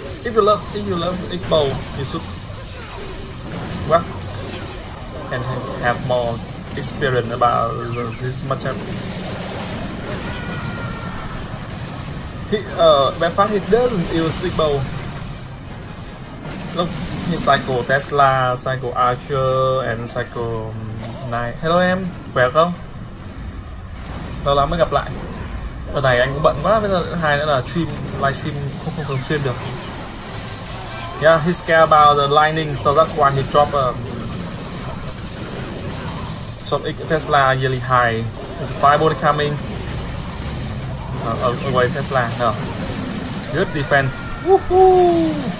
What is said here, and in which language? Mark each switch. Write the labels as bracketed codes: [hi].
[en] If you love XBOW, you should watch and have more experience about this matchup. He doesn't use XBOW. Look, he cycle Tesla, cycle Archer, and cycle Knight. [vi] Hello em, khỏe không? Lâu lắm mới gặp lại. Ở này anh cũng bận quá, bây giờ hai nữa là stream, live stream không thường xuyên được. [en] Yeah, he's scared about the lightning, so that's why he dropped some Tesla yearly high. There's a fireball coming. Away Tesla, no. Good defense. Woohoo!